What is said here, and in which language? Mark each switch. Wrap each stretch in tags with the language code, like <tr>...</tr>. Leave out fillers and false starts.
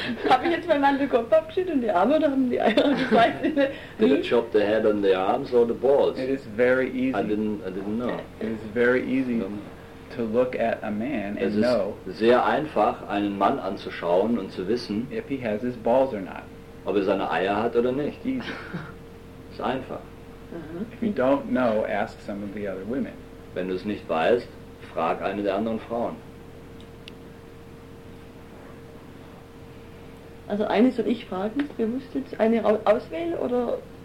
<de>Habe ich jetzt meinen Mann den Kopf abgeschnitten und die Arme oder haben die Eier gezeigt?</de> <en>Did I chop the head and the arms or the balls? It is very easy. I didn't know. It is very easy to look at a man and know.</en> <de>Es ist sehr einfach, einen Mann anzuschauen und zu wissen,</de> <en>if he has his balls or not.</en> <de>Ob er seine Eier hat oder nicht.</de> <en>Easy.</en> <de>Ist einfach. Uh-huh.</de> <en>If you don't know, ask some of the other women.</en> <de>Wenn du es nicht weißt, frag eine der anderen Frauen. Also eine soll ich fragen, wir müssen jetzt eine auswählen oder</de>